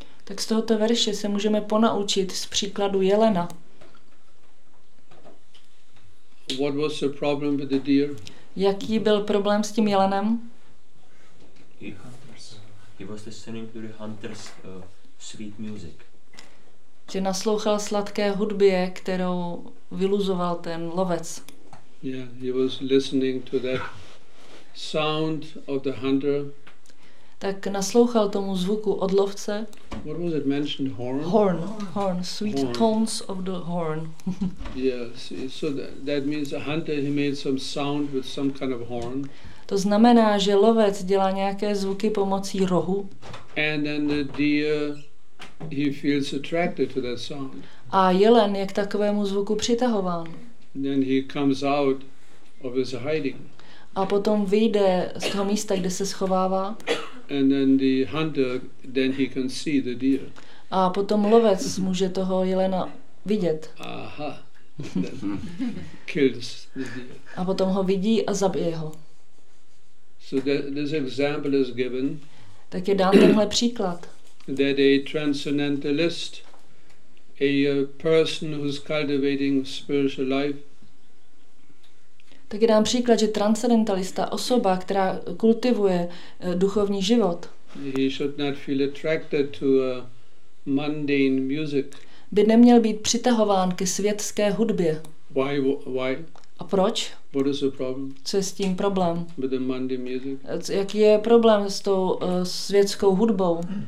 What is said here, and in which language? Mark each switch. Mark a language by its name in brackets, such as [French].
[Czech] Tak z tohoto verše se můžeme ponaučit z příkladu jelena. [English] What was the problem with the deer? [Czech] Jaký byl problém s tím jelenem? [English] He hunters. He was listening to the hunters' sweet music. [Czech] Že naslouchal sladké hudbě, kterou vyluzoval ten lovec. [English] Yeah, he was listening to that sound of the hunter. [Czech] Tak naslouchal tomu zvuku od lovce. [English] What was it mentioned? Horn. Horn. Horn. Sweet horn. Tones of the horn. Yes. Yeah, so that means the hunter he made some sound with some kind of horn. [Czech] To znamená, že lovec dělá nějaké zvuky pomocí rohu. [English] And then the deer, he feels attracted to that sound. [Czech] A jelen je k takovému zvuku přitahován. [English] Then he comes out of his hiding. [Czech] A potom vyjde z toho místa, kde se schovává. [English] And then the hunter, then he can see the deer. [Czech] A potom lovec může toho jelena vidět. [English] Aha. Then kills the deer. [Czech] A potom ho vidí a zabije ho. [English] So this example is given. [Czech] Tak je dán tenhle příklad. [English] That a transcendentalist, a person who's cultivating spiritual life. [Czech] Tak je dám příklad, že transcendentalista, osoba, která kultivuje duchovní život. [English] He should not feel attracted to mundane music. [Czech] By neměl být přitahován ke světské hudbě. [English] Why? [Czech] A proč? [English] What is the problem? [Czech] Co je s tím problém? [English] With the mundane music. [Czech] Jaký je problém s tou světskou hudbou?